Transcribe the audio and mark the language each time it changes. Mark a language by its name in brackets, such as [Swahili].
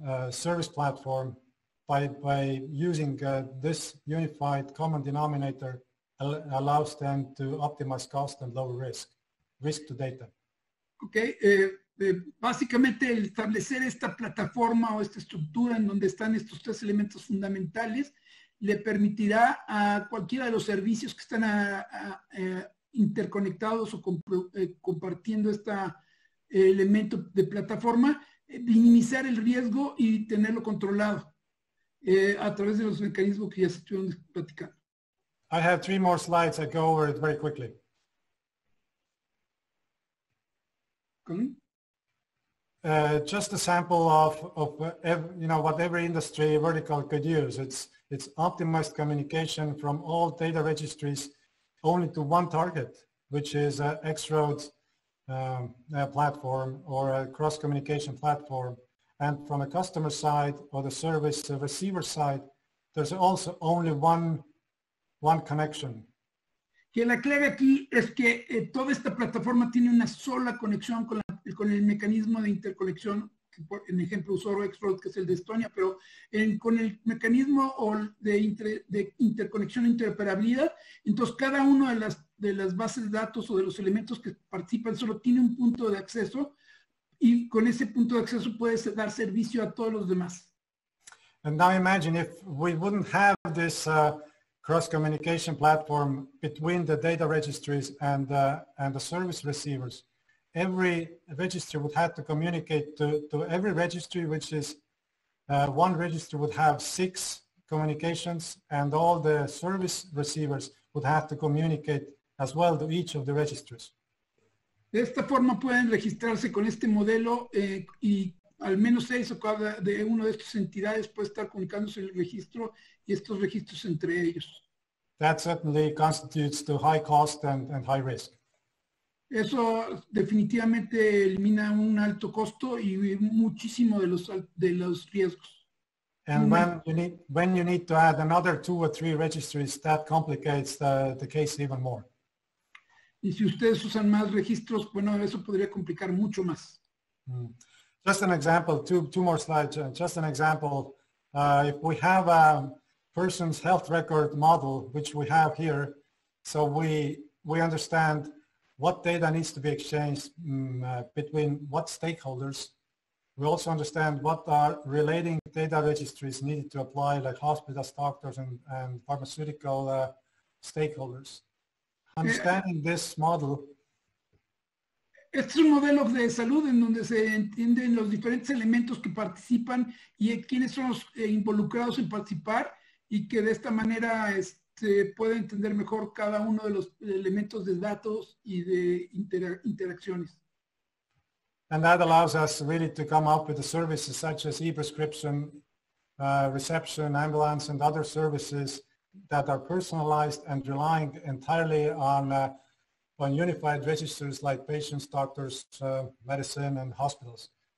[English] service platform by using this unified common denominator allows them to optimize cost and lower risk to data. [Spanish] Okay, básicamente el establecer esta plataforma o esta estructura en donde están estos tres elementos fundamentales le permitirá a cualquiera de los servicios que están interconectados o compartiendo esta elemento de plataforma, minimizar el riesgo y tenerlo controlado a través de los mecanismos que ya se estuvieron platicando. [English] I have three more slides. I go over it very quickly. Just a sample of what every industry vertical could use. It's optimized communication from all data registries only to one target, which is X-Roads platform or a cross communication platform. And from a customer side or the service receiver side, there's also only one connection. [Spanish] Que la clave aquí es que toda esta plataforma tiene una sola conexión con el mecanismo de interconexión, que por en ejemplo usó X-Roads, que es el de Estonia, pero con el mecanismo de interconexión e interoperabilidad, entonces cada uno de las bases de datos o de los elementos que participan solo tiene un punto de acceso y con ese punto de acceso puede dar servicio a todos los demás. [English] And now imagine if we wouldn't have this cross-communication platform between the data registries and the service receivers. Every registry would have to communicate to every registry, which is one registry would have six communications, and all the service receivers would have to communicate as well to each of the registries. [Spanish] De esta forma pueden registrarse con este modelo y al menos seis o cada de uno de estas entidades puede estar comunicándose el registro y estos registros entre ellos. [English] That certainly constitutes the high cost and high risk. [Spanish] Eso definitivamente elimina un alto costo y muchísimo de los riesgos. [English] And when you need to add another two or three registries, that complicates the case even more. [Spanish] Y si ustedes usan más registros, bueno, eso podría complicar mucho más. [English] Just an example, two more slides. Just an example, if we have a person's health record model, which we have here, so we understand what data needs to be exchanged between what stakeholders. We also understand what are relating data registries needed to apply, like hospitals, doctors, and pharmaceutical stakeholders. Understanding this model. [Spanish] Este es un modelo de salud en donde se entienden los diferentes elementos que participan y quiénes son los involucrados en participar y que de esta manera se pueda entender mejor cada uno de los elementos de datos y de interacciones. [English] And that allows us really to come up with the services such as e-prescription, reception, ambulance, and other services that are personalized and relying entirely on unified registers like patients, doctors, medicine, and hospitals.